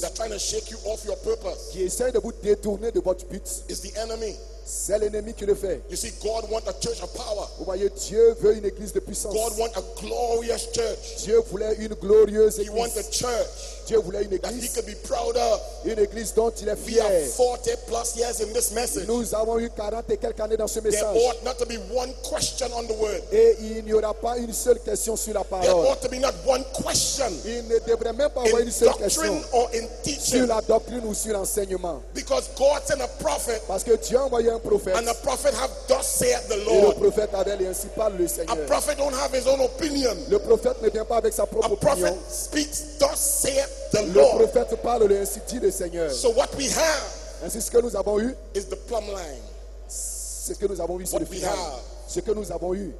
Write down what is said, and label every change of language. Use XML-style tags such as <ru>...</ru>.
<en>that trying to shake you off your purpose,</en> <fr>qui essaie de vous détourner de votre but,</fr> <en>is the enemy.</en> <fr>C'est l'ennemi qui le fait.</fr> <en>You see, God want a church of power.</en> <fr>Vous voyez, Dieu veut une église de puissance.</fr> <en>God want a glorious church.</en> <fr>Dieu voulait une glorieuse église.</fr> <en>He want a church.</en> <fr>Dieu voulait une église.</fr> <en>That he could be proud of.</en> <fr>Une église dont il est fier.</fr> <en>We have 40 plus years in this message.</en> <fr>Nous avons eu 40 et quelques années dans ce message.</fr> <en>There ought not to be one question on the word.</en> <fr>Et il n'y aura pas une seule question sur la parole.</fr> <en>There ought to be not one question.</en> <fr>Il ne devrait même pas avoir une seule question.</fr> <en>In doctrine or in teaching.</en> <fr>Sur la doctrine ou sur l'enseignement.</fr> <en>Because God sent a prophet.</en> <fr>Parce que Dieu envoyait un prophète.</fr> <en>And the prophet have thus said the Lord.</en> <fr>Et le prophète avait ainsi parlé le Seigneur.</fr> <en>A prophet don't have his own opinion.</en> <fr>Le prophète ne vient pas avec sa propre a opinion.</fr> <en>A prophet speaks thus said.</en> <fr>Le prophète parle de ainsi dit le Seigneur.</fr> <en>So what we have,</en> <fr>ainsi ce que nous avons eu,</fr> <en>is the plumb line.</en> <fr>C'est ce que nous avons eu sur le final. Ce que nous avons eu,</fr>